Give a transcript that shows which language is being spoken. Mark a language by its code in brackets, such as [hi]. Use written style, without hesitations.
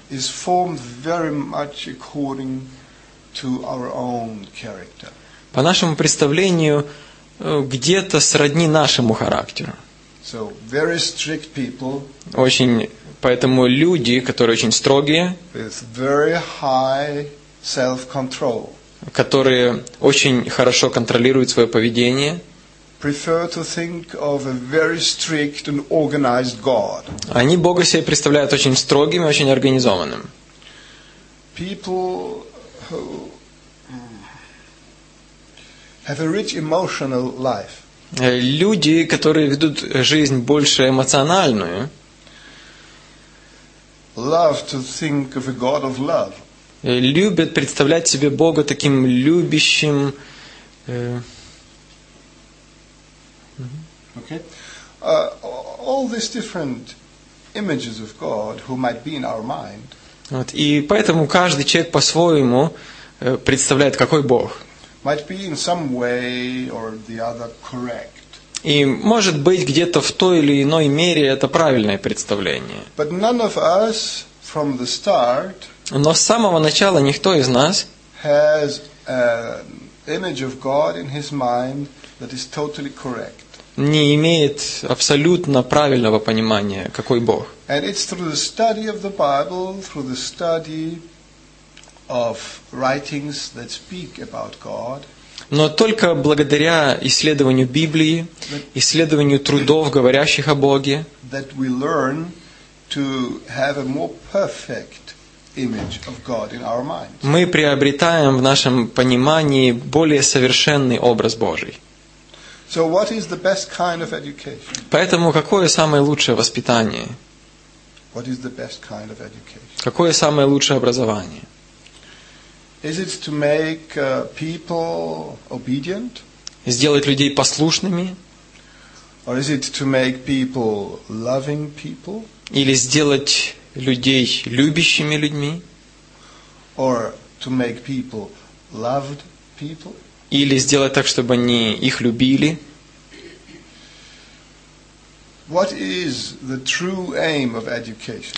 [en] is formed very much according to our own character. [ru] По нашему представлению, где-то сродни нашему характеру. [en] So very strict people. [ru] Очень, поэтому люди, которые очень строгие. [en] With very high self-control. [ru] Которые очень хорошо контролируют свое поведение. [en] Prefer to think of a very strict and organized God. [ru] Они Бога себе представляют очень строгим и очень организованным. [en] People who have a rich emotional life. [ru] Люди, которые ведут жизнь больше эмоциональную. [en] Love to think of a God of love. [ru] Любят представлять себе Бога таким любящим. [en] Okay. All these different images of God who might be in our mind. [ru] Вот, и поэтому каждый человек по-своему представляет, какой Бог. [en] Might be in some way or the other correct. [ru] И может быть где-то в той или иной мере это правильное представление. [en] But none of us from the start. [ru] Но с самого начала никто из нас [en] has an image of God in his mind that is totally correct. [ru] Не имеет абсолютно правильного понимания, какой Бог. [en] And it's through the study of the Bible, through the study of writings that speak about God. [ru] Но только благодаря исследованию Библии, исследованию трудов, говорящих о Боге, [en] that we learn to have a more perfect image of God in our minds. [ru] Мы приобретаем в нашем понимании более совершенный образ Божий. [en] So what is the best kind of education? [ru] Поэтому какое самое лучшее воспитание? [en] What is the best kind of education? [ru] Какое самое лучшее образование? [en] Is it to make people obedient? [ru] Сделать людей послушными? [en] Or is it to make people loving people? [ru] Или сделать людей любящими людьми? [en] Or to make people loved people? [ru] Или сделать так, чтобы они их любили. [en] What is the true aim of education?